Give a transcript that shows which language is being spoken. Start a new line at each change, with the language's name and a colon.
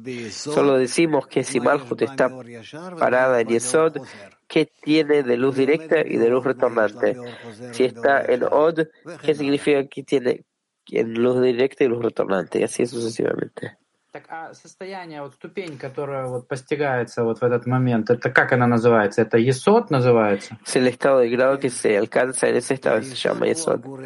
Spanish: Solo decimos que si Malhut está parada en Yesod, ¿qué tiene de luz directa y de luz retornante? Si está en Od, ¿qué significa que tiene en luz directa y luz retornante? Y así sucesivamente.
Russian: Так, а состояние, вот ступень, которая вот постигается вот в этот момент, это как она называется? Это Есот называется?
Spanish: Es el estado de grado que se alcanza en ese estado, se llama Есот.